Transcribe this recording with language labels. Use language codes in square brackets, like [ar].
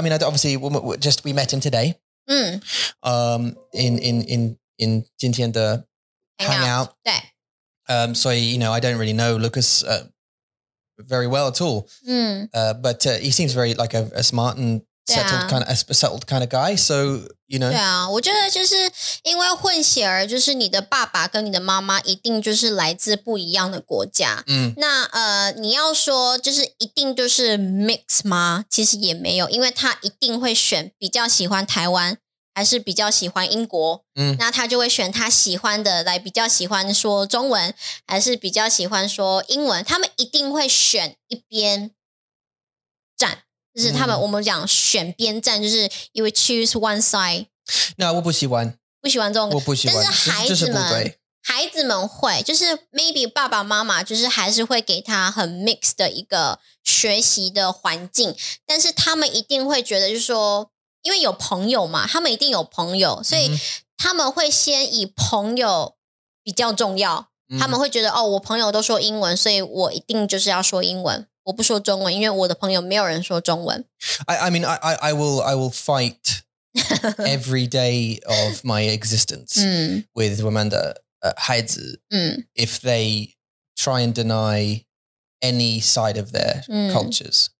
[en] I mean, obviously we met him today, in [zh] 今天的 [en] hangout. So, you know, I don't really know Lucas, very well at all. But he seems very like a smart and settled kind of guy. So, you know. [zh] 对啊，我觉得就是因为混血儿，就是你的爸爸跟你的妈妈一定就是来自不一样的国家。那你要说就是一定就是 mix 吗？其实也没有，因为他一定会选比较喜欢台湾，还是比较喜欢英国。那他就会选他喜欢的，来比较喜欢说中文，还是比较喜欢说英文？他们一定会选一边站。就是他们，我们讲选边站，就是 [en] you would choose one side. [zh] No, 我不喜欢这种，但是孩子们会，就是 maybe 爸爸妈妈就是还是会给他很 mix 的一个学习的环境，但是他们一定会觉得，就是说，因为有朋友嘛，他们一定有朋友，所以他们会先以朋友比较重要，他们会觉得哦，我朋友都说英文，所以我一定就是要说英文。我不说中文，因为我的朋友没有人说中文。 [en] I mean, I will fight every day of my existence with Wamanda 孩子 if they try and deny any side of their cultures.